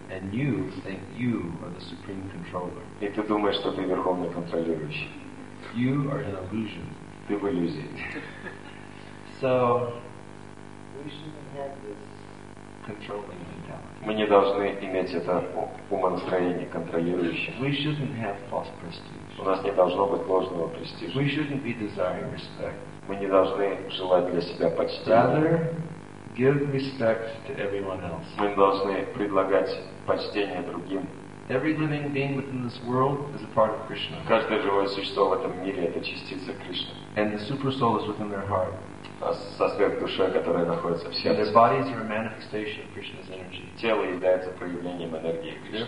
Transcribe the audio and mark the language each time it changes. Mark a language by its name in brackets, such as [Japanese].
[English] And you think you are the supreme controller. [Russian] И ты думаешь, что ты верховный контролирующий. [English] You are an illusion. [Russian] Ты в иллюзии. [English] So, we shouldn't have this controlling mentality. [Russian] Мы не должны иметь это умонастроение контролирующее. [English] We shouldn't have false prestige. [Russian] У нас не должно быть ложного престижа. [English] We shouldn't be desiring respect. [Russian] Мы не должны желать для себя почтения. [English] Rather, give respect to everyone else. [Russian] Мы должны предлагать почтение другим. [English] Every living being within this world is a part of Krishna. [Russian] Каждое живое существо в этом мире это частица Кришны. [English] And the super soul is within their heart. [Russian] А сверхдуша, которая находится в сердце. [English] And their bodies are a manifestation of Krishna's energy. [Russian] Тело является проявлением энергии Кришны.